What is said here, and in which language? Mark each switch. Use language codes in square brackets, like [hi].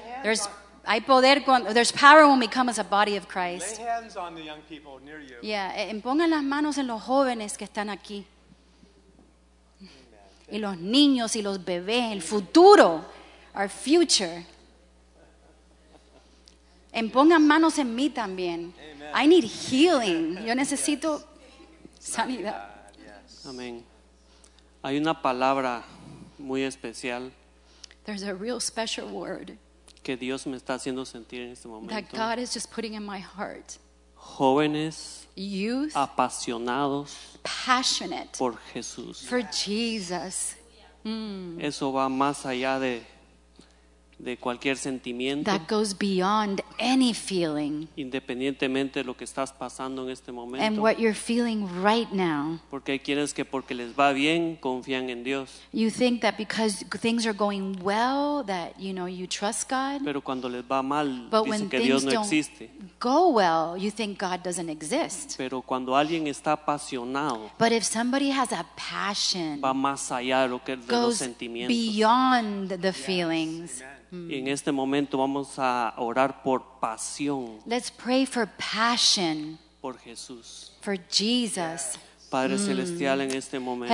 [en] There's power when we come as a body of Christ. Lay hands on the young people near you. [es] Yeah, pongan las manos en los jóvenes que están aquí. Y los niños y los bebés, el futuro, [en] our future. [es] Pongan manos en mí también. [en] Amen. I need healing. [es] Yo necesito [en] yes. [es] sanidad. [en] Yes. [es] Amén. Hay una palabra muy especial. [en] There's a real special word. [es] Que Dios me está haciendo sentir en este momento. [en] That God is just putting in my heart. [es] Jóvenes. [en] Youth. [es] Apasionados. [en] Passionate. [es] Por Jesús. [en] For Jesus. [es] Mm. Eso va más allá de cualquier sentimiento. [en] That goes beyond any feeling. [es] Independientemente de lo que estás pasando en este momento. [en] And what you're feeling right now. [es] Porque quieres que porque les va bien confían en Dios. [en] You think that because things are going well that you know you trust God. [es] Pero cuando les va mal [en] but [es] dicen que Dios no existe. [en] But when things go well, you think God doesn't exist. [es] Pero cuando alguien está apasionado. [en] But if somebody has a passion. [es] Va más allá de lo que de los sentimientos. [en] Beyond the feelings. Yes. [es] Y en este momento vamos a orar por pasión. [en] Let's pray for passion. [es] Por Jesús. [en] For Jesus. [es] Padre celestial, en este momento.